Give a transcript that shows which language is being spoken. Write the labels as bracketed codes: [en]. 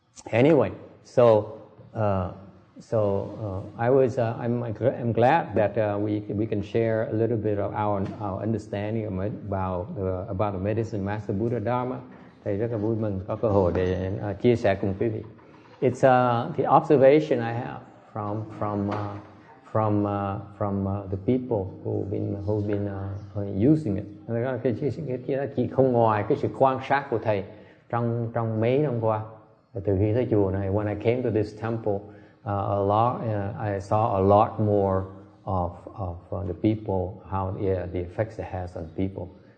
[en] Anyway, I'm glad that we can share a little bit of our understanding about the Medicine Master Buddha Dharma. [vi] Thầy rất là vui mừng có cơ hội để chia sẻ cùng quý vị. [en] It's the observation I have from the people who've been using it. [vi] Cái không ngoài cái sự quan sát của thầy trong mấy năm qua từ khi tới chùa này. [en] When I came to this temple, I saw a lot more of the people, the effects it has on people.